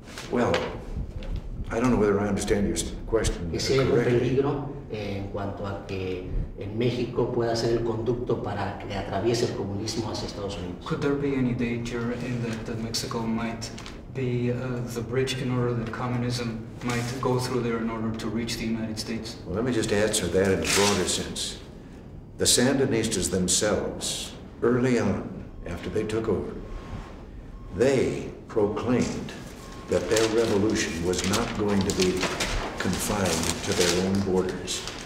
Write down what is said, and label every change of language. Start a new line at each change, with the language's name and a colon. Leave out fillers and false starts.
English: Well, I don't know whether I understand your question.
Spanish: ¿Es el peligro en cuanto a que en México pueda ser el conducto para que atraviese el comunismo hacia Estados Unidos?
English: Could there be any danger in that Mexico might be the bridge in order that communism might go through there in order to reach the United States? Well, let me just answer that in a broader sense. The Sandinistas themselves, early on, after they took over, they proclaimed that their revolution was not going to be confined to their own borders.